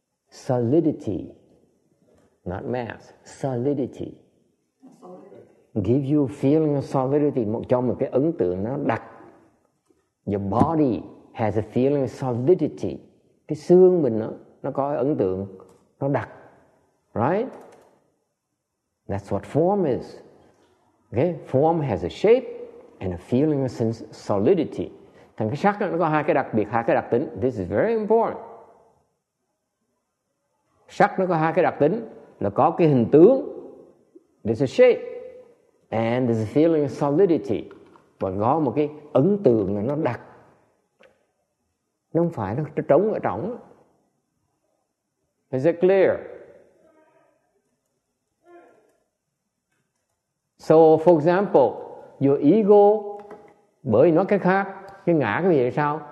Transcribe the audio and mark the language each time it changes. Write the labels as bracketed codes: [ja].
[en] Solidity. Not mass. Solidity. Solidity. Give you feeling of solidity. [vi] Cho một cái ấn tượng nó đặc. [en] Your body has a feeling of solidity. [vi] Cái xương mình nó có ấn tượng nó đặc. [en] Right? That's what form is. Okay? Form has a shape and a feeling of sense solidity. [vi] Thành cái sắc nó có hai cái đặc biệt, hai cái đặc tính. [en] This is very important. [vi] Sắc nó có hai cái đặc tính là có cái hình tướng. [en] There's a shape and there's a feeling of solidity. [vi] Và có một cái ấn tượng là nó đặc. Nó không phải nó trống ở trống. [en] Is it clear? So, for example, your ego, [vi] bởi nó cái khác, cái ngã cái gì sao?